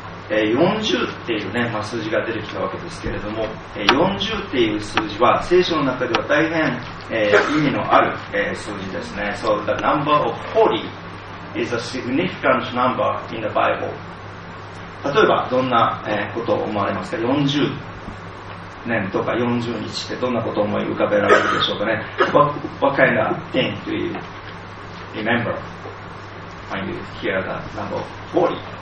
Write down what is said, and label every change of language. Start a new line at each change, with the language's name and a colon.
Japanese: 40っていう、ねまあ、数字が出てきたわけですけれども、40っていう数字は聖書の中では大変、意味のある、数字ですね。
English: So the number of 40 is a significant number in the Bible.
Japanese: 例えばどんな、ことを思われますか。40年とか40日ってどんなことを思い浮かべられるでしょうかね。
English: What kind of thing do you remember when you hear the number of 40?